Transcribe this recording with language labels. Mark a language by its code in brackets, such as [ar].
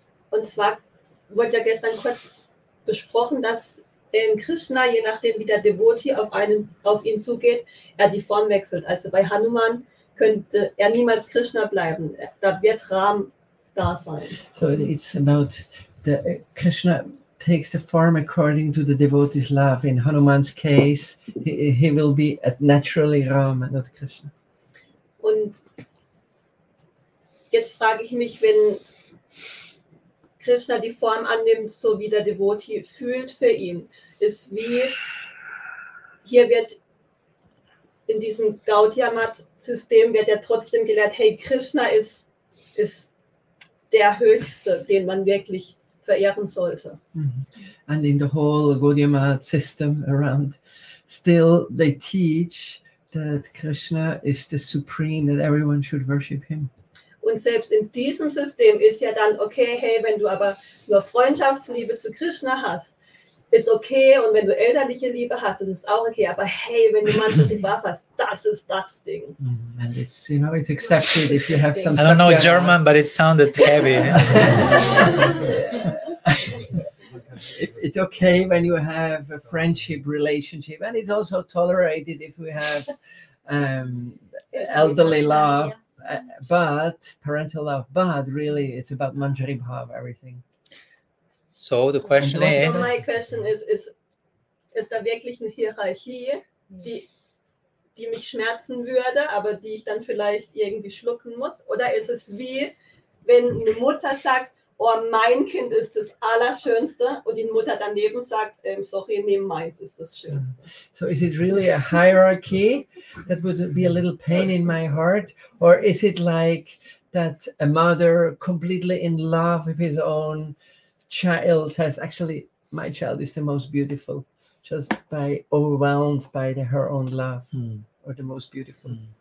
[de] Und zwar wurde ja gestern kurz besprochen, dass Krishna, je nachdem wie der Devotee auf ihn zugeht, er die Form wechselt. Also bei Hanuman könnte er niemals Krishna bleiben. Da wird Ram da sein. [en] So it's about the Krishna takes the form according to the devotee's love. In Hanuman's case, he will be at naturally Rama, not Krishna. [de] Und jetzt frage ich mich, wenn Krishna die Form annimmt, so wie der Devotee fühlt für ihn, ist wie, hier wird in diesem Gaudiya Math System wird er trotzdem gelehrt, hey, Krishna ist der Höchste, den man wirklich verehren sollte. [en] And in the whole Gaudiya Math system around, still they teach that Krishna is the supreme, that everyone should worship him. [de] Und selbst in diesem System ist ja dann okay, hey, wenn du aber nur Freundschaftsliebe zu Krishna hast, ist okay, und wenn du elterliche Liebe hast, das ist auch okay, aber hey, wenn du manche Gebrauch hast, das ist das Ding. [en] And it's, you know, it's accepted if you have some... I don't know German, but it sounded heavy. It's okay when you have a friendship relationship, and it's also tolerated if we have elderly love, but parental love, but really it's about manjari bhav, everything. So the question is... So my question is [de] da wirklich eine Hierarchie, die mich schmerzen würde, aber die ich dann vielleicht irgendwie schlucken muss? Oder ist es wie, wenn eine Mutter sagt, oh, mein Kind ist das Allerschönste, und die Mutter daneben sagt, sorry, nee, meins ist das Schönste. [en] So is it really a hierarchy that would be a little pain in my heart? Or is it like that a mother completely in love with his own child has, actually, my child is the most beautiful, just by overwhelmed by the, her own love, or the most beautiful.